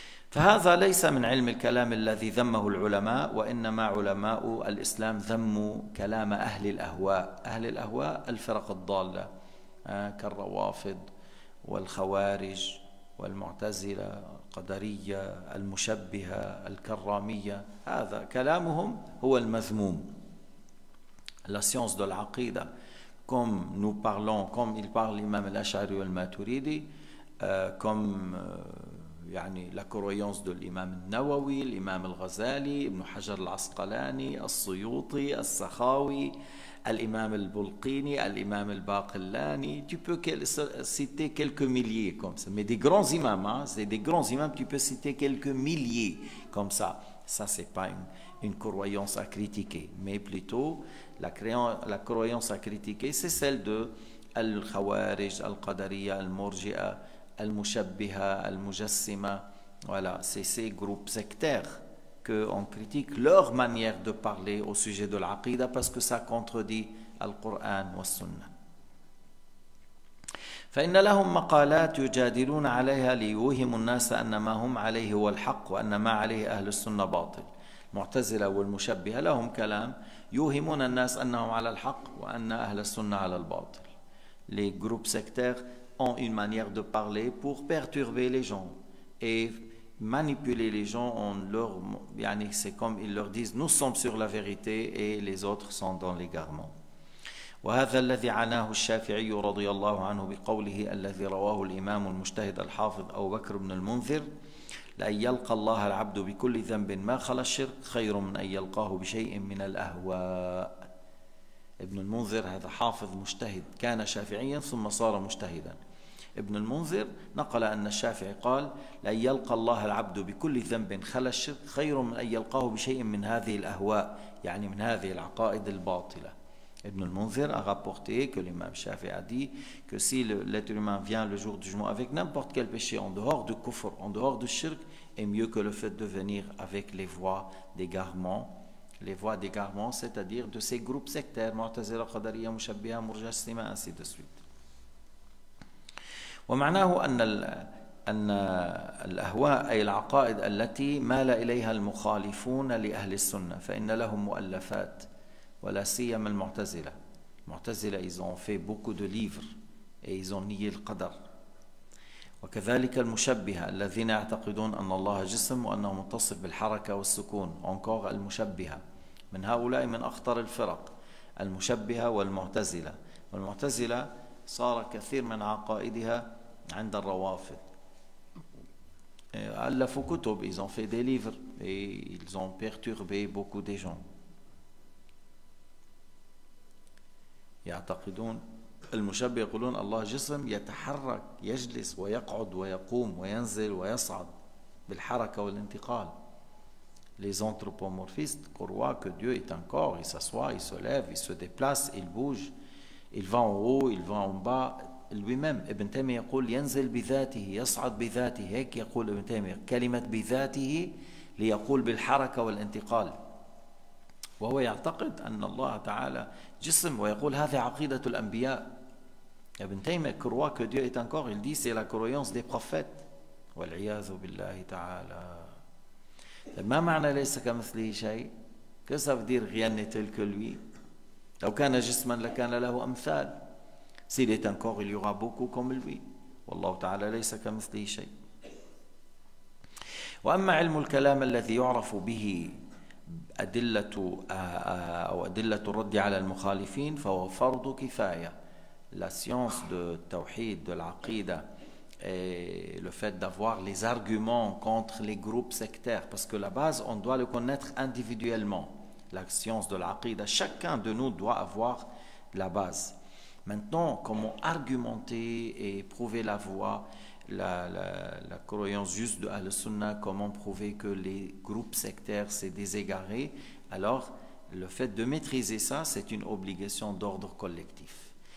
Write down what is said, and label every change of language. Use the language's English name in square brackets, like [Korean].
[Arabic] فهذا ليس من علم الكلام الذي ذمه العلماء، وإنما علماء الإسلام ذموا كلام أهل الأهواء، أهل الأهواء الفرق الضالة كالروافض والخوارج والمعتزلة، القدرية، المشبهة، الكرامية، هذا كلامهم هو المذموم. [French] La science de l'aqida comme nous parlons, comme il parle l'imam al-Ash'ari wal-Maturidi, comme يعني لا كرويونس دو الامام النووي، الامام الغزالي، ابن حجر العسقلاني، السيوطي، السخاوي، الامام البلقيني، الامام الباقلاني، tu peux citer quelques milliers comme ça, mais des grands imams, c'est des grands imams, tu peux citer quelques milliers comme ça. Ça c'est pas une croyance à critiquer, mais plutôt la croyance à critiquer c'est celle de الخوارج، القدرية، المرجئة، المشبهة، المجسمة، voilà, c'est ces groupes sectaires qu'on critique leur manière de parler au sujet de l'aqida parce que ça contredit القرآن والسنة. [Arabic] فإن لهم مقالات يجادلون عليها ليوهموا الناس أن ما هم عليه هو الحق وأن ما عليه أهل السنة باطل. المعتزلة والمشبهة لهم كلام يوهمون الناس أنهم على الحق وأن أهل السنة على الباطل. [French] Les groupes sectaires ont une manière de parler pour perturber les gens et manipuler les gens en leur, يعني c'est comme ils leur disent nous sommes sur la vérité et les autres sont dans l'égarement. [Arabic] وهذا الذي عناه الشافعي رضي الله عنه بقوله الذي رواه الإمام المجتهد الحافظ أبو بكر بن المنذر لأن يلقى الله العبد بكل ذنب ما خلا الشرك خير من أن يلقاه بشيء من الأهواء. ابن المنذر هذا حافظ مجتهد، كان شافعيا ثم صار مجتهدا. ابن المنذر نقل أن الشافعي قال: لأن يلقى الله العبد بكل ذنب خلا الشرك خير من أن يلقاه بشيء من هذه الأهواء، يعني من هذه العقائد الباطلة. [French] Ibn al-Munzir a rapporté que l'imam Shafi a dit que si l'être humain vient le jour du jugement avec n'importe quel péché en dehors du kufr, en dehors du shirk, est mieux que le fait de venir avec les voies d'égarement. Les voies d'égarement, c'est-à-dire de ces groupes sectaires, Mu'tazila, Qadariya, Mushabbiha, Murjassima, ainsi de suite. [Arabic] Wa ma'naahu أن الأهواء أي العقائد التي مال إليها المخالفون لأهل السنة فإن لهم مؤلفات ولا سيما المعتزلة. [French] المعتزلة ils ont fait beaucoup de livres et ils ont nié le qadar. [Arabic] وكذلك المشبهة الذين يعتقدون أن الله جسم وأنه متصف بالحركة والسكون. [French] Encore [Arabic] المشبهة من هؤلاء من أخطر الفرق، المشبهة والمعتزلة. والمعتزلة صار كثير من عقائدها عند الروافض. ألفوا كتب، [French] ils ont fait des livres et ils ont perturbé beaucoup des gens. [Arabic] يعتقدون المشبه يقولون الله جسم يتحرك يجلس ويقعد ويقوم وينزل ويصعد بالحركة والانتقال. [French] Les anthropomorphistes croient que Dieu est un corps, il s'assoit, il se lève, il se déplace, il bouge, il va en haut, il va en bas. Lui-même, [Arabic] Ibn Taymiyyah يقول ينزل بذاته يصعد بذاته، هيك يقول Ibn Taymiyyah كلمة بذاته ليقول بالحركة والانتقال. وهو يعتقد أن الله تعالى جسم ويقول هذه عقيدة الأنبياء. [French] ابن تيمية كروا que Dieu est un corps, il dit c'est la croyance des prophètes. [Arabic] والعياذ بالله تعالى. ما معنى ليس كمثله شيء؟ [French] Que ça veut dire rien n'est tel que lui؟ [Arabic] لو كان جسما لكان له أمثال. [French] S'il est un corps, il y aura beaucoup comme lui. [Arabic] والله تعالى ليس كمثله شيء. وأما علم الكلام الذي يعرف به أدلة أو أدلة الرد على المخالفين فهو فرض كفاية. [French] La science de التوحيد de العقيدة et le fait d'avoir les arguments contre les groupes sectaires, parce que la base on doit le connaître individuellement. La science de العقيدة, chacun de nous doit avoir la base. Maintenant, comment argumenter et prouver la voie, la croyance juste de Al-Sunnah, comment prouver que les groupes sectaires s'est déségaré, alors le fait de maîtriser ça, c'est une obligation d'ordre collectif.